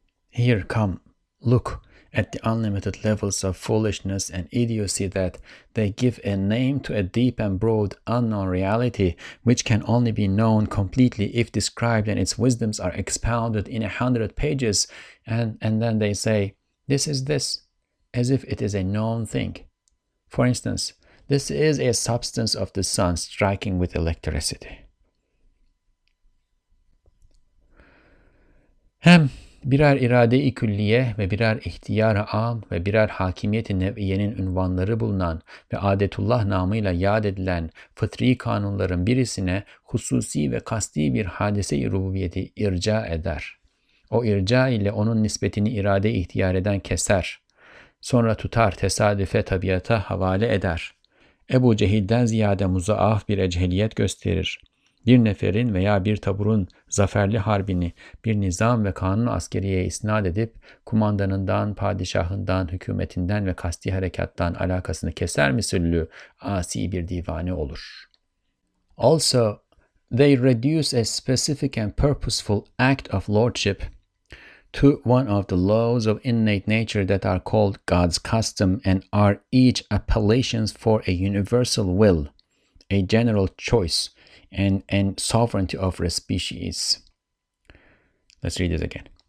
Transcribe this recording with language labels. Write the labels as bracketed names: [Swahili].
[English] Here, come, look at the unlimited levels of foolishness and idiocy that they give a name to a deep and broad unknown reality, which can only be known completely if described and its wisdoms are expounded in 100 pages. And then they say, this is this, as if it is a known thing. For instance, this is a substance of the sun striking with electricity. [Turkish] Hem birer irade-i külliye ve birer ihtiyar-ı am ve birer hakimiyet-i nev'iyenin ünvanları bulunan ve adetullah namıyla yad edilen fıtri kanunların birisine hususi ve kasti bir hadise-i rububiyeti irca eder. O irca ile onun nispetini irade ihtiyar eden keser. Sonra tutar tesadüfe tabiata havale eder. Ebu Cehil'den ziyade muzaaf bir echeliyet gösterir. Bir neferin veya bir taburun zaferli harbini bir nizam ve kanun askeriye isnat edip kumandanından, padişahından, hükümetinden ve kasti harekattan alakasını keser misüllü asi bir divane olur. [English] Also, they reduce a specific and purposeful act of lordship to one of the laws of innate nature that are called God's custom and are each appellations for a universal will, a general choice, and sovereignty of a species. Let's read this again.